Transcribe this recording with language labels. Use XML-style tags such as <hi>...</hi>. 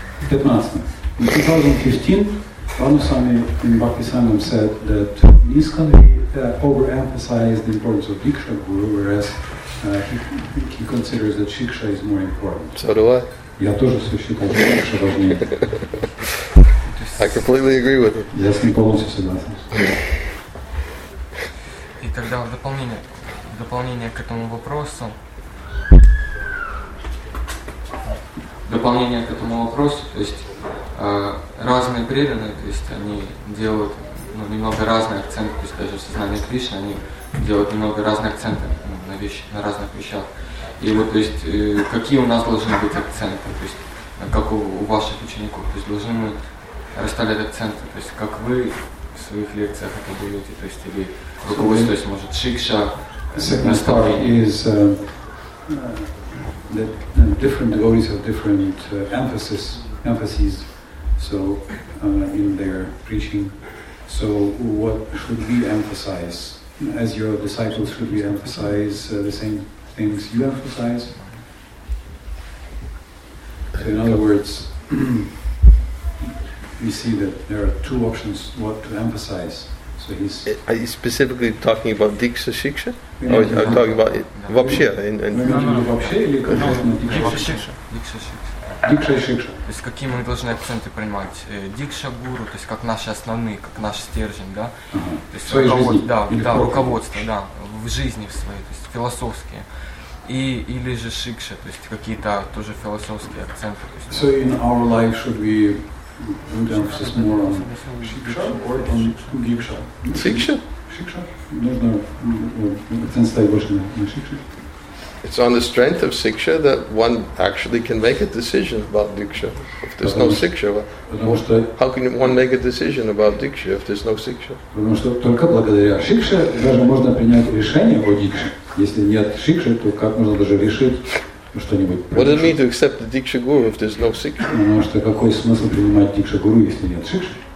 <en>15. In 2015, Ванусами in Bhaktisangam said that Niskan overemphasized the importance of Diksha Guru, whereas he considers that Shiksha is more important. So do I.</en> <ru>Я тоже считаю, что Диксха важнее.</ru> <en>I completely agree with him.</en> <ru>Я с ним полностью согласен. И тогда в дополнение к этому вопросу, дополнение к этому вопросу, то есть разные преданные, то есть они делают немного разные акценты, то есть даже в сознании Кришны они делают немного разные акценты на разных вещах. И вот, то есть какие у нас должны быть акценты, то есть как у ваших учеников, то есть должны мы расставлять акценты, то есть как вы в своих лекциях это делаете, то есть или руководство, может, шикша, наставление.</ru> <en>That different devotees have different emphases, so in their preaching. So what should we emphasize? As your disciples, should we emphasize the same things you emphasize? So in other words, we see that there are two options what to emphasize. So he's. Are you specifically talking about Diksha Shiksha? Yeah, oh, I'm talking about it. No.</en> <ru>Вообще, Дикша-шикша. То есть какие мы должны акценты принимать? Дикша-гуру, то есть как наши основные, как наш стержень, да? То есть руководство, да, руководство, да, в жизни в своей, то есть философские. И или же шикша, то есть какие-то тоже философские акценты.</ru> <en>So in our life should we put emphasis more on шикша or on дикша?</en> <ru>Шикша? Шикша. Нужно акцент ставить больше на шикше.</ru> <en>It's on the strength of siksha that one actually can make a decision about diksha. If there's no siksha, how can one make a decision about diksha if there's no siksha?</en> <ru>Потому что только благодаря сикше даже можно принять решение о дикше. Если нет сикши, то как можно даже решить что-нибудь?</ru> <en>What does it mean to accept the diksha guru if there's no siksha?</en> <ru>Потому что какой смысл принимать диксха гуру, если нет сикши?</ru>